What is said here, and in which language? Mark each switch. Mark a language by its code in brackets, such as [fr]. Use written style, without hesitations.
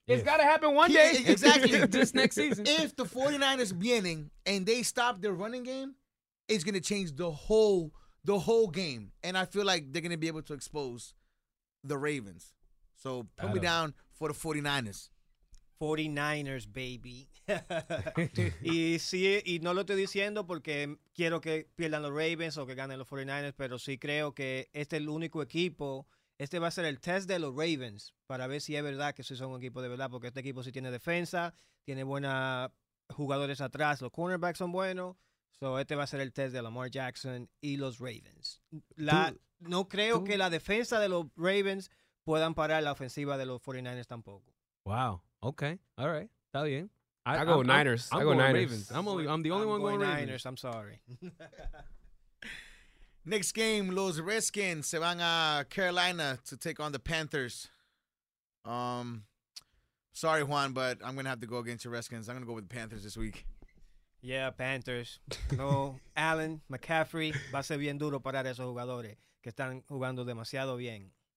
[en] It's got to happen one day. Exactly. This next season. If the 49ers beginning, and they stop their running game, it's going to change the whole game. And I feel like they're going to be able to expose the Ravens. So put me down for the 49ers. 49ers, baby. [es] Y sí, y no lo estoy diciendo porque quiero que pierdan los Ravens o que ganen los 49ers, pero sí creo que este es el único equipo, este va a ser el test de los Ravens para ver si es verdad que sí son un equipo de verdad, porque este equipo sí tiene defensa, tiene buenos jugadores atrás, los cornerbacks son buenos, so este va a ser el test de Lamar Jackson y los Ravens. No creo que la defensa de los Ravens puedan parar la ofensiva de los 49ers tampoco. [en] Wow, okay, all right, [es] está bien. [en] I go Niners. I'm going Ravens. I'm the only one going Ravens. I'm sorry. Next game, [es] los Redskins se van a Carolina [en] to take on the Panthers. Sorry, Juan, but I'm going to have to go against the Redskins. I'm going to go with the Panthers this week. Yeah, Panthers. [es] No, Allen, McCaffrey, va a ser bien duro parar esos jugadores que están jugando demasiado bien.